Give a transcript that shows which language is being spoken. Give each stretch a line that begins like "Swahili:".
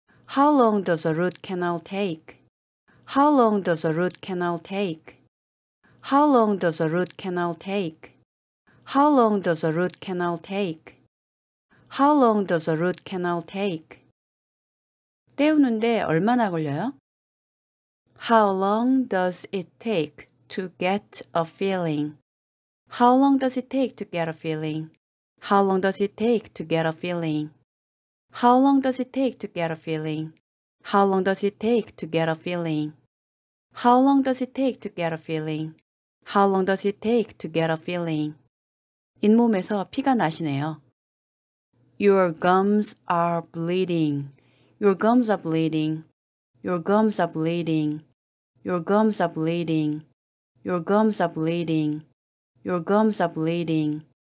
English: How long does a root canal take? How long does a root canal take? How long does a root canal take? How long does a root canal take? How long does a root canal take?
Korean: 떼우는데 얼마나 걸려요?
English: How long does it take to get a filling? How long does it take to get a filling? How long does it take to get a filling? How long does it take to get a filling? How long does it take to get a filling? How long does it take to get a filling? How long does it take to get a filling?
Korean: 잇몸에서 피가 나시네요.
English: Your gums are bleeding. Your gums are bleeding. Your gums are bleeding. Your gums are bleeding. Your gums are bleeding. Your gums are bleeding.